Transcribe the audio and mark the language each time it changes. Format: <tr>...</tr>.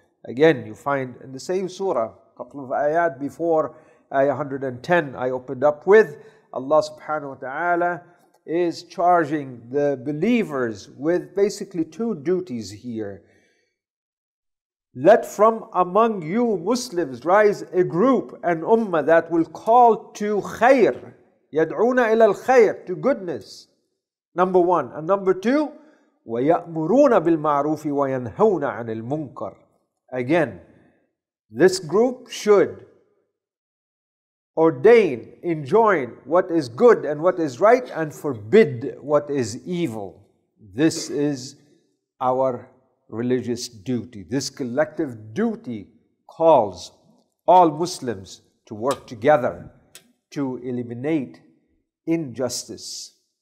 <en>Again, you find in the same surah, couple of ayat before ayah 110 I opened up with, Allah subhanahu wa ta'ala is charging the believers with basically two duties here. Let from among you Muslims rise a group, an ummah that will call to khayr, yad'una ila al-khayr, to goodness, number one.</en> <ar>And number two, وَيَأْمُرُونَ بِالْمَعْرُوفِ وَيَنْهَوْنَ عَنِ الْمُنْكَرِ.</ar> <en>Again, this group should ordain, enjoin what is good and what is right and forbid what is evil. This is our religious duty. This collective duty calls all Muslims to work together to eliminate injustice.</en>